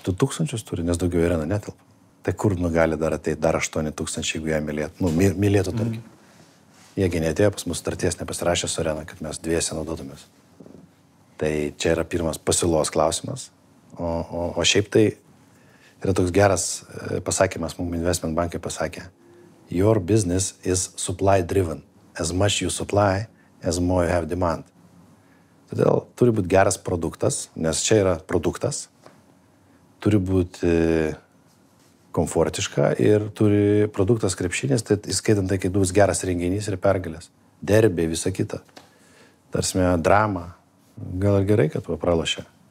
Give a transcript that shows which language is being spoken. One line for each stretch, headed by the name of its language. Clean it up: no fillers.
Lithuanian: 2000 turi, nes daugiau arena netilpa. Tai kur nu gali dar ateiti dar 8000, jeigu jie mylėtų? Nu, mylėtų tarkim. Mm. Jiegi neatėjo pas mūsų starties, nepasirašė su arena, kad mes dviese naudotumės. Tai čia yra pirmas pasiūlos klausimas. O šiaip tai yra toks geras pasakymas, mums investment bankai pasakė.
English: Your business is supply driven. As much you supply, as more you have demand.
Lithuanian: Todėl turi būti geras produktas, nes čia yra produktas. Turi būti komfortiška ir turi produktas krepšinis, tai įskaitant tai, kai bus geras renginys ir pergalės. Derbė, visa kita. Tarsime, drama. Gal ir gerai, kad pralošė.